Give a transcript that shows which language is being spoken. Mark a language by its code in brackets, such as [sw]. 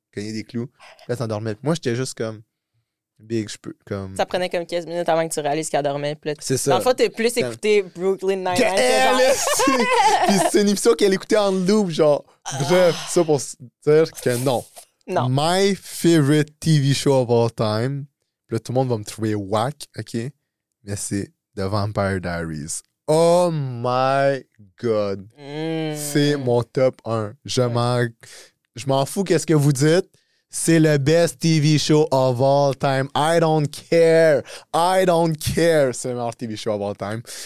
[fr] Cogner des clous, elle s'endormait. Moi, j'étais juste comme big, je peux. Comme... Ça prenait comme 15 minutes avant que tu réalises qu'elle dormait. Là, c'est ça. Dans le fond, t'es plus écouté Brooklyn Nine-Nine. Que elle est... Puis c'est une émission qu'elle écoutait en loop, genre. Bref, ça pour dire que non. Non. [en] My favorite TV show of all time. [fr] Là, tout le monde va me trouver whack, OK? Mais c'est The Vampire Diaries. [en] Oh my God. [fr] C'est mon top 1. Je m'en fous qu'est-ce que vous dites. C'est le [en] best TV show of all time. I don't care. [fr] C'est le meilleur [en] TV show of all time.